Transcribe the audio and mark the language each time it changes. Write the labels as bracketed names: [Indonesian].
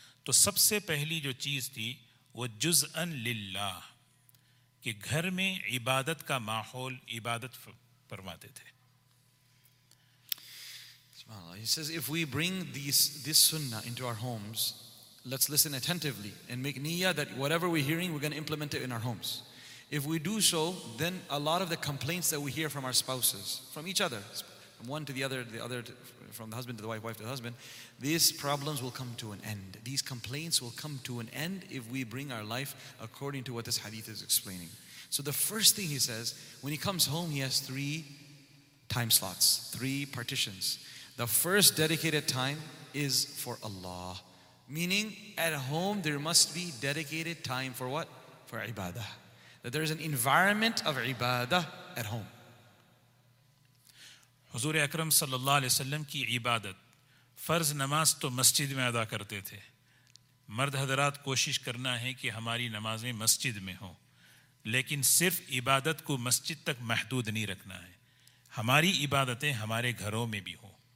[Urdu] تو سب سے پہلی جو چیز تھی وہ جزءً للہ, کہ گھر میں عبادت کا ماحول عبادت فرماتے تھے. [English] He says if we bring this sunnah into our homes, let's listen attentively and make niyyah that whatever we're hearing we're going to implement it in our homes. If we do so, then a lot of the complaints that we hear from our spouses, from each other, from one to the other to, from the husband to the wife, wife to the husband, these problems will come to an end. These complaints will come to an end if we bring our life according to what this hadith is explaining. So the first thing he says, when he comes home, he has three time slots, three partitions. The first dedicated time is for Allah. Meaning, at home, there must be dedicated time for what? For ibadah. That there is an environment of ibadah at home. [Urdu] حضور اکرم صلی اللہ علیہ وسلم کی عبادت, فرض نماز تو مسجد میں ادا کرتے تھے. مرد حضرات کوشش کرنا ہے کہ ہماری نمازیں مسجد میں ہوں, لیکن صرف عبادت کو مسجد تک محدود نہیں رکھنا ہے, ہماری عبادتیں ہمارے گھروں میں بھی ہوں.